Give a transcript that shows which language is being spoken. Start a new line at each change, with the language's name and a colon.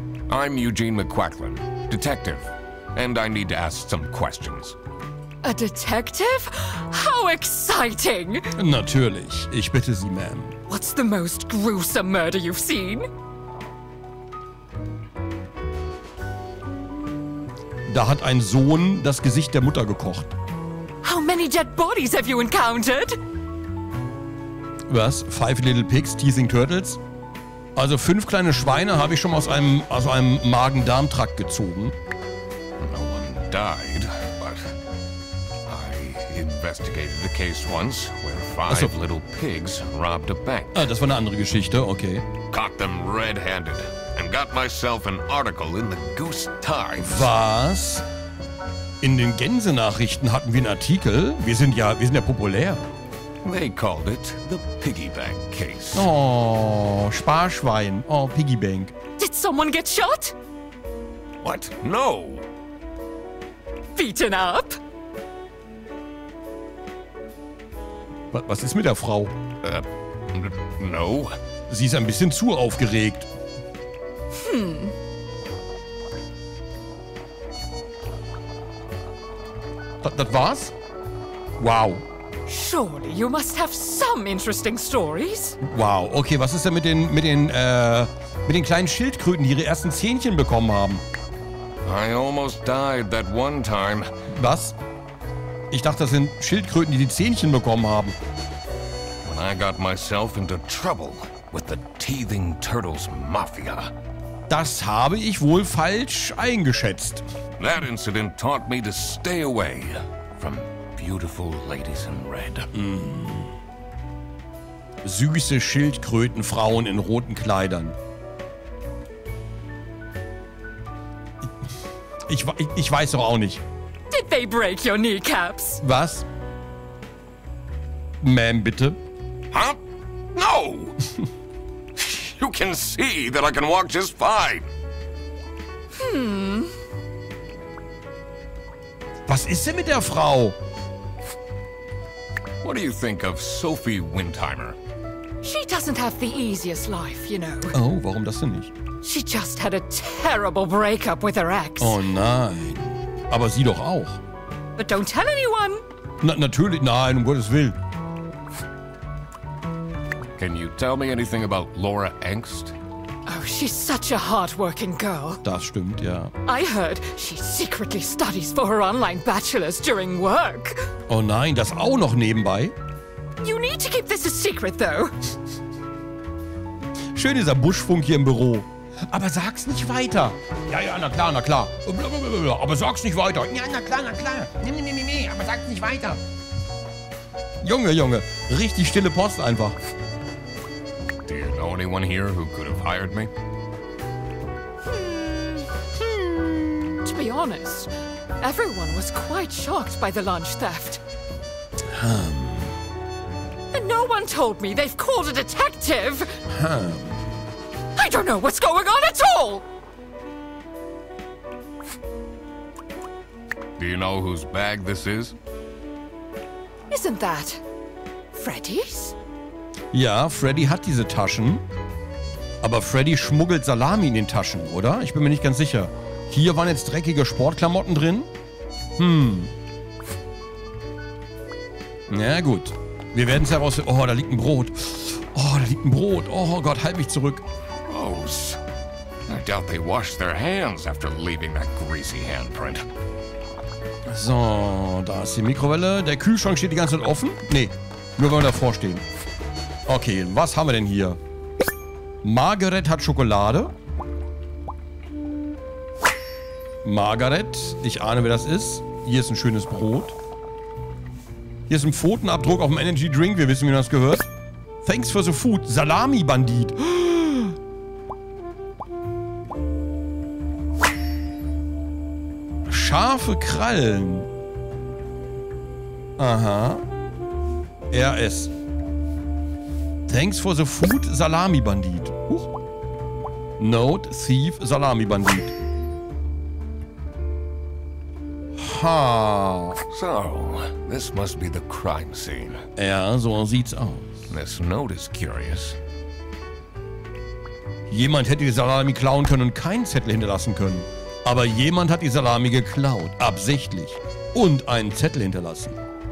English: I'm Eugene McQuacklin, Detective. And I need to ask some questions. A detective? How exciting!
German: Natürlich. Ich bitte Sie, ma'am.
English: What's the most gruesome murder you've seen?
German: Da hat ein Sohn das Gesicht der Mutter gekocht.
English: How many dead bodies have you encountered?
German: Was?
English: Five little pigs teasing turtles?
German: Also fünf kleine Schweine habe ich schon aus einem Magen-Darm-Trakt gezogen.
English: No one died, but I investigated the case once where five little pigs robbed a bank.
German: Ah, das war eine andere Geschichte, okay.
English: Caught them red-handed and got myself an article in the Goose Times.
German: Was? In den Gänsenachrichten hatten wir einen Artikel. Wir sind ja populär.
English: They called it the Piggy Bank Case.
German: Oh, Sparschwein. Oh, Piggy Bank.
English: Did someone get shot? What? No. Beaten up?
German: Was ist mit der Frau?
English: No.
German: Sie ist ein bisschen zu aufgeregt. Hm. Das war's? Wow.
English: Surely you must have some interesting stories.
German: Wow, okay, was ist denn mit den kleinen Schildkröten, die ihre ersten Zähnchen bekommen haben?
English: I almost died that one time.
German: Was? Ich dachte, das sind Schildkröten, die Zähnchen bekommen haben.
English: When I got myself into trouble with the teething turtles mafia.
German: Das habe ich wohl falsch eingeschätzt.
English: That incident taught me to stay away from beautiful ladies in red. Mm.
German: Süße Schildkrötenfrauen in roten Kleidern. Ich weiß doch auch nicht.
English: Did they break your kneecaps?
German: Was? Ma'am, bitte?
English: Huh? No! You can see that I can walk just fine. Hmm.
German: Was ist denn mit der Frau?
English: What do you think of Sophie Windheimer? She doesn't have the easiest life, you know.
German: Oh, warum das denn nicht?
English: She just had a terrible breakup with her ex.
German: Oh nein. Aber sie doch auch.
English: But don't tell anyone.
German: Natürlich, nein, um Gottes Willen.
English: Can you tell me anything about Laura Angst? Oh, she's such a hard-working girl.
German: Das stimmt, ja.
English: I heard she secretly studies for her online bachelor's during work.
German: Oh nein, das auch noch nebenbei?
English: You need to keep this a secret, though.
German: Schön dieser Buschfunk hier im Büro. Aber sag's nicht weiter. Ja, ja, na klar. Blablabla, aber sag's nicht weiter. Ja, na klar. Nee, aber sag's nicht weiter. Junge, richtig stille Post einfach.
English: Do you know anyone here who could have hired me? To be honest, everyone was quite shocked by the lunch theft. And no one told me they've called a detective. I don't know what's going on at all. Do you know whose bag this is? Isn't that Freddy's?
German: Ja, Freddy hat diese Taschen. Aber Freddy schmuggelt Salami in den Taschen, oder? Ich bin mir nicht ganz sicher. Hier waren jetzt dreckige Sportklamotten drin? Hm. Na ja, gut. Wir werden es heraus. Oh, da liegt ein Brot. Oh, da liegt ein Brot. Oh Gott, halt mich zurück. Rose.
English: I doubt they wash their hands after leaving that greasy handprint.
German: So, da ist die Mikrowelle. Der Kühlschrank steht die ganze Zeit offen? Nee, nur wenn wir davor stehen. Okay, was haben wir denn hier? Margaret hat Schokolade. Margaret, ich ahne, wer das ist. Hier ist ein schönes Brot. Hier ist ein Pfotenabdruck auf dem Energy Drink. Wir wissen, wie das gehört.
English: Thanks for the food, Salami-Bandit.
German: scharfe Krallen. Aha. RS.
English: Thanks for the food, Salami Bandit.
German: Huch.
English: Note, Thief, Salami Bandit. Ha. So, this must be the crime scene.
German: Ja, so sieht's aus.
English: This note is curious.
German: Jemand hätte die Salami klauen können und keinen Zettel hinterlassen können. Aber jemand hat die Salami geklaut, absichtlich. Und einen Zettel hinterlassen.